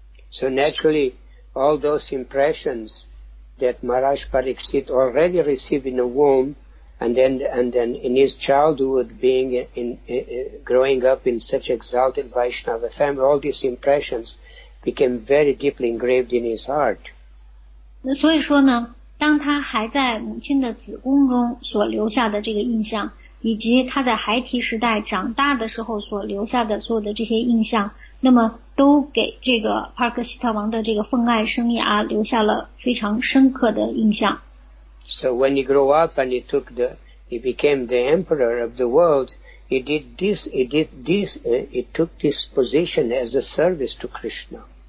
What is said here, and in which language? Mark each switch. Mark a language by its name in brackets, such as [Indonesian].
[English] So naturally all those impressions that Maharaj Pariksit already received in the womb and then in his childhood being in growing up in such exalted Vaishnava family, all these impressionsbecame very deeply engraved in his heart. [Chinese] 那所以说呢，当他还在母亲的子宫中所留下的这个印象，以及他在孩提时代长大的时候所留下的所有的这些印象，那么都给这个帕克西特王的这个奉爱生涯留下了非常深刻的印象。 [English] So when he grew up and he became the emperor of the world,He took this position as a service to Krishna.